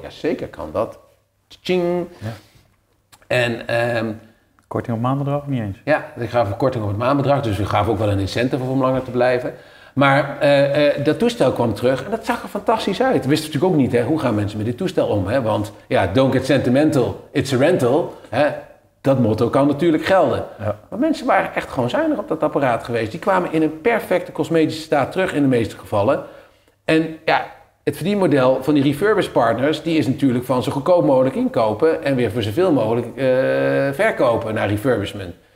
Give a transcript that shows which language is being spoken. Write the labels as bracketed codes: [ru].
[nl] Ja, zeker kan dat. Tsching. Ja. En korting op maandbedrag niet eens? Ja, ik gaf een korting op het maandbedrag, dus we gaven ook wel een incentive om langer te blijven. Maar dat toestel kwam terug en dat zag er fantastisch uit. We wisten natuurlijk ook niet, hè, hoe gaan mensen met dit toestel om. Hè? Want ja, [en] don't get sentimental, it's a rental. [nl] Hè? Dat motto kan natuurlijk gelden. Ja. Maar mensen waren echt gewoon zuinig op dat apparaat geweest. Die kwamen in een perfecte cosmetische staat terug in de meeste gevallen. En ja, het verdienmodel van die refurbished partners, die is natuurlijk van zo goedkoop mogelijk inkopen en weer voor zoveel mogelijk verkopen naar refurbishment.